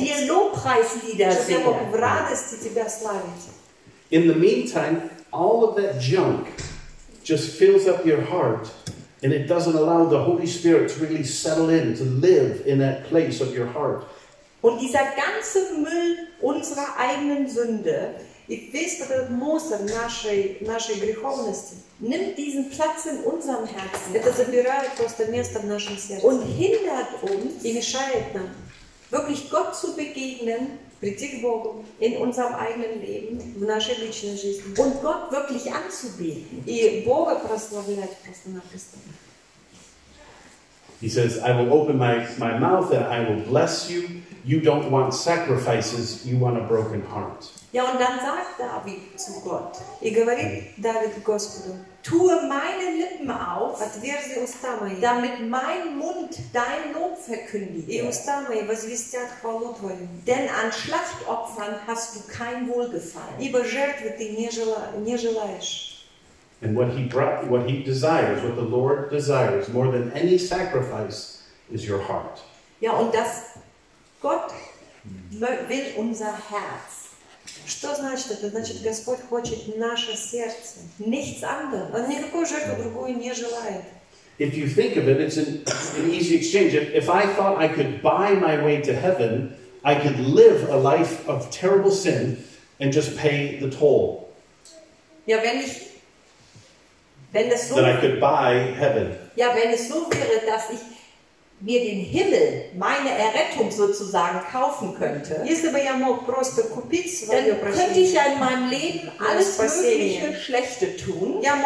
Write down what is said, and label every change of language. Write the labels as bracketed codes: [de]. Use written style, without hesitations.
[ru] чтобы я мог в радости тебя славить. [en] In the meantime, all of that junk just fills up your heart, and it doesn't allow the Holy Spirit to really settle in, to live in that place of your heart. [de] Und dieser ganze Müll unserer eigenen Sünde, ich weiß, [ru] этот мусор нашей греховности [de] nimmt diesen Platz in unserem Herzen. [ru] Это забирает просто место в нашем сердце. [de] Und hindert uns, [ru] и мешает нам [de] wirklich Gott zu begegnen, [ru] прийти к Богу [de] in unserem eigenen Leben, [ru] в нашей личной жизни. [de] Und Gott wirklich anzubeten, [ru] и Бога прославлять просто-напросто. [en] He says, I will open my mouth and I will bless you. You don't want sacrifices, you want a broken heart. [de] Ja, und dann sagt David zu Gott, ich [ru] говорит David Господу, [de] tue meine Lippen auf, [ru] отверзи уста мои, [de] damit mein Mund dein Lob verkündigt. [ru] И уста мои возвестят хвалу твою. [de] Denn an Schlachtopfern hast du kein Wohlgefallen. [ru] Ибо жертвы ты не желаешь. [en] And what he desires, what the Lord desires more than any sacrifice is your heart. [de] Ja, und das Gott will unser Herz. [ru] Что значит это? Значит, Господь хочет наше сердце. [de] Nichts anderes. [ru] Он никакую жертву другую не желает. [en] If you think of it, it's an easy exchange. If I thought I could buy my way to heaven, I could live a life of terrible sin and just pay the toll. [de] Ja, wenn es so [en] that I could buy heaven. [de] Ja, wenn es so wäre, dass ich mir den Himmel, meine Errettung sozusagen, kaufen könnte, dann könnte ich ja in meinem Leben alles Mögliche Schlechte tun.